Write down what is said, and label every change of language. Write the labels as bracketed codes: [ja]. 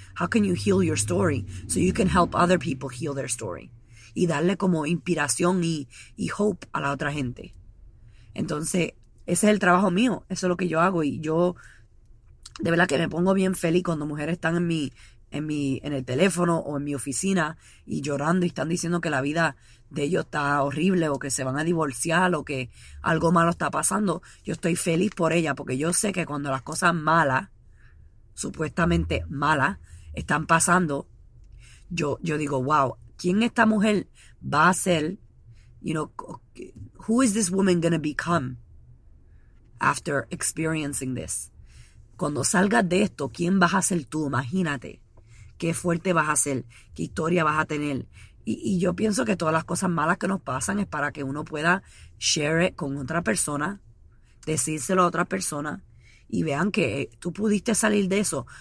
[en] How can you heal your story so you can help other people heal their story? [es] Y darle como inspiración y [en] hope [es] a la otra gente. Entonces, ese es el trabajo mío. Eso es lo que yo hago. Y yo, de verdad que me pongo bien feliz cuando mujeres están en el teléfono o en mi oficina y llorando y están diciendo que la vida de ellos está horrible o que se van a divorciar o que algo malo está pasando. Yo estoy feliz por ella porque yo sé que cuando las cosas malas, supuestamente malas, están pasando, yo digo, wow, ¿quién esta mujer va a ser? [en] You know, who is this woman going to become after experiencing this? [es] Cuando salgas de esto, ¿quién vas a ser tú? Imagínate. ¿Qué fuerte vas a ser? ¿Qué historia vas a tener? Y yo pienso que todas las cosas malas que nos pasan es para que uno pueda [en] share it [es] con otra persona, decírselo a otra persona y vean que tú pudiste salir de eso.